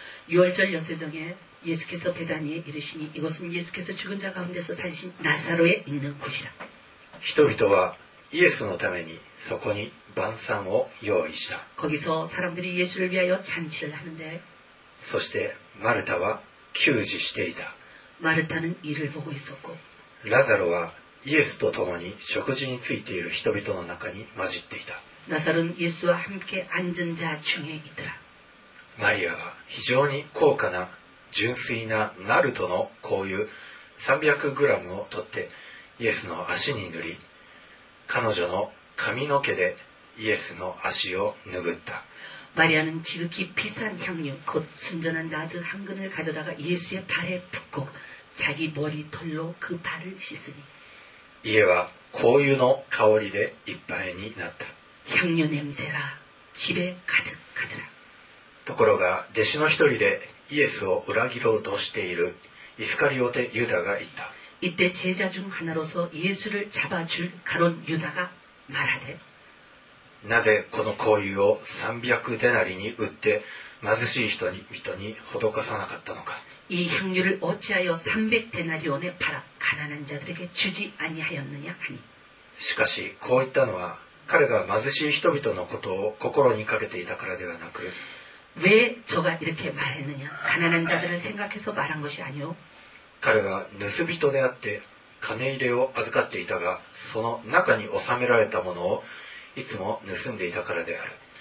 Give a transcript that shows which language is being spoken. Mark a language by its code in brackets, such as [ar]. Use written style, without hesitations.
[ko] 유월절여세정에예수께서베다니에이르시니이곳은예수께서죽은자가운데서살신나사로에있는곳이라 [ja] 人々はイエスのためにそこに晩餐を用意した [ko] 거기서사람들이예수를위하여잔치를하는데 [ja] そしてマルタは給仕していた [ko] 마르타는일을보고있었고 라자로와 [ja] イエスと共に食事についている人々の中に混じっていた [ko] 나사로는예수와함께앉은자중에있더라 [ja] 마리아は非常に高価な純粋なナルトの香油 300g を取ってイエスの足に塗り彼女の髪の毛でイエスの足を拭った [ko] マリアは지극히비싼향유곧순전한나드한근을가져다가예수의발에붓고자기머리털로그발을씻으니 [ja] 家は香油の香りでいっぱいになった [ko] 향유냄새가집에가득하더라 [ja] ところが弟子の一人でイエスを裏切ろうとしているイスカリオテユダが言った。 [ko] 이때제자중하나로서예수를잡아줄가론유다가말하되 [ja] なぜこの香油を300데나리に売って貧しい人に施さなかったのか [ko] 이향유를어찌하여300데나리온에팔아가난한자들에게주지아니하였느냐하니 [ja] しかしこう言ったのは彼が貧しい人々のことを心にかけていたからではなく [ko] 왜저가이렇게말했느냐가난한자들을생각해서말한것이아니오 [ja] 彼は盗人であって金入れを預かっていたがその中に収められたものをいつも盗んでいたからである